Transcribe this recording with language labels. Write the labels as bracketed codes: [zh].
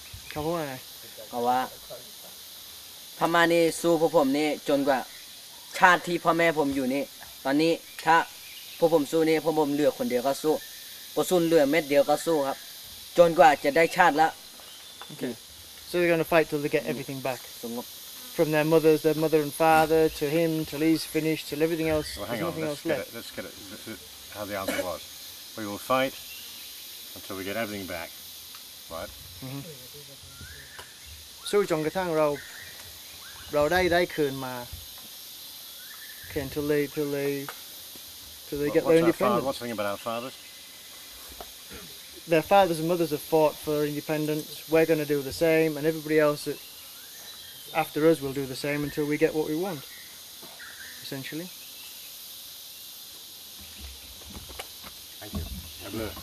[th] เขาว่าไง เขาว่าพม่านี่สู้พวกผมนี่จนกว่าชาติที่พ่อแม่ผมอยู่นี่ตอนนี้ถ้าพวกผมสู้นี่พวกผมเหลือคนเดียวก็สู้พอสู้เหลือเม็ดเดียวก็สู้ครับจนกว่าจะได้ชาติละ [en] โอเค so we're gonna fight till they get everything back from their mothers, their mother and father, to him, till he's finished, till everything else. Well, hang on, let's get it. This is how the answer was. We will fight until we get everything back, right? So [th] จนกระทั่งเราได้คืนมา [en] okay, until they get their independence. What's the thing about our fathers? Their fathers and mothers have fought for independence. We're going to do the same, and everybody else that after us will do the same until we get what we want, essentially. Thank you. Hello.